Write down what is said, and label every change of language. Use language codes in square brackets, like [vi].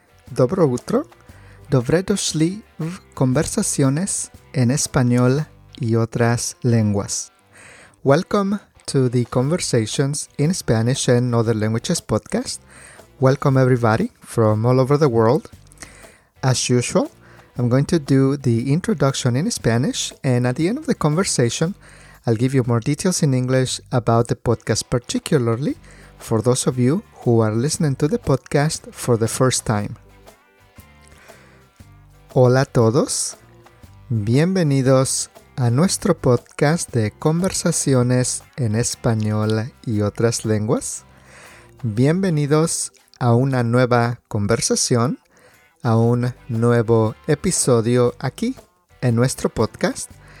[sl] Dobro utro, dobre došli v conversaciones en español y otras lenguas. [en] Welcome to the Conversations in Spanish and Other Languages podcast. Welcome everybody from all over the world. As usual, I'm going to do the introduction in Spanish, and at the end of the conversation, I'll give you more details in English about the podcast, particularly for those of you who are listening to the podcast for the first time. [es] Hola a todos. Bienvenidos a nuestro podcast de conversaciones en español y otras lenguas. Bienvenidos a una nueva conversación, a un nuevo episodio aquí en nuestro podcast.